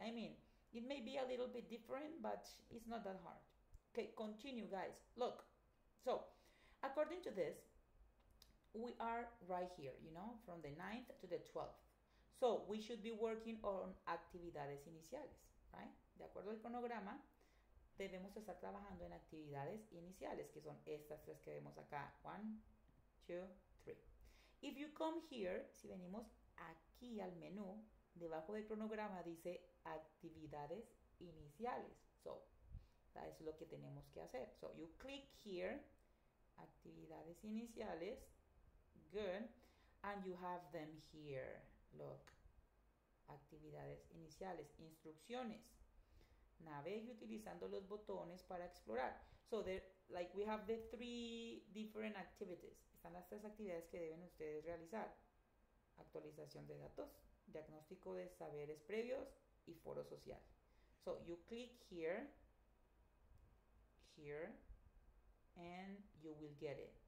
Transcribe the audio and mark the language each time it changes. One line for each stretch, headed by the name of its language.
English: I mean, it may be a little bit different, but it's not that hard. Okay, continue, guys. Look. So, according to this, we are right here, you know, from the 9th to the 12th. So, we should be working on actividades iniciales, right?
Spanish: De acuerdo al cronograma, debemos estar trabajando en actividades iniciales, que son estas tres que vemos acá. 1, 2, 3.
English: If you come here,
Spanish: si venimos aquí al menú, debajo del cronograma dice actividades iniciales.
English: So, that is
Spanish: lo que tenemos que hacer.
English: So, you click here, actividades iniciales, good, and you have them here.
Spanish: Look, actividades iniciales, instrucciones. Navegue utilizando los botones para explorar.
English: So, we have the three different activities.
Spanish: Están las tres actividades que deben ustedes realizar. Actualización de datos, diagnóstico de saberes previos y foro social.
English: So, you click here, here, and you will get it.